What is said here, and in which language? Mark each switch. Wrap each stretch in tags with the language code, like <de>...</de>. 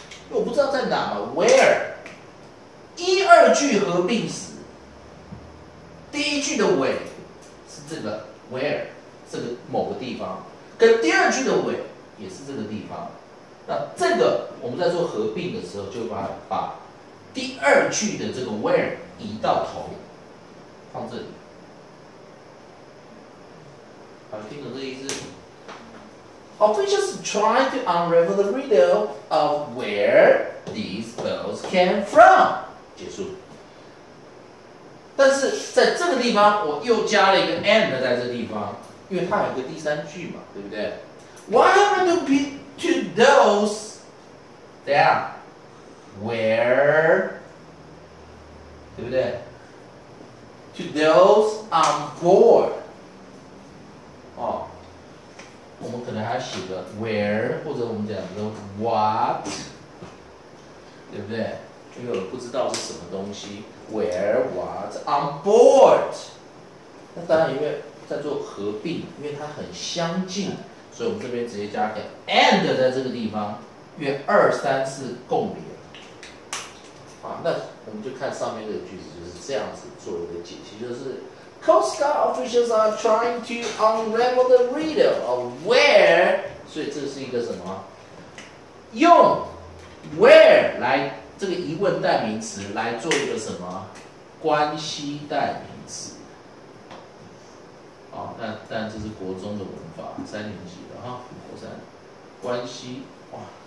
<zh>我不知道在哪嘛 ，where。一二句合并时，第一句的尾是这个 where， 这个某个地方，跟第二句的尾也是这个地方。那这个我们在做合并的时候，就把第二句的这个 where 移到头，放这里。听懂这个意思？</zh> <en>Officials try to unravel the riddle of where these bells came from.</en> <zh>结束。但是在这个地方，我又加了一个 and 在这个地方，因为它有个第三句嘛，对不对？</zh> <en>What happened to those?</en> <zh>怎样？</zh> <en>Where?</en> <zh>对不对？</zh> <en>To those on board. 哦。</en> <zh>我们可能还写个 where， 或者我们讲的 what， 对不对？因为我不知道是什么东西 ，</zh> <en>where what on board。</en> <zh>那当然，因为在做合并，因为它很相近，所以我们这边直接加个 and 在这个地方，因为二三是共联。啊，那我们就看上面这个句子就是这样子做一个解析，就是。</zh> <en>Coast Guard officials are trying to unravel the riddle of where.</en> <zh>所以这是一个什么？用 where 来这个疑问代名词来做一个什么关系代名词？哦，但这是国中的文法，三年级的哈，国三关系哇。</zh>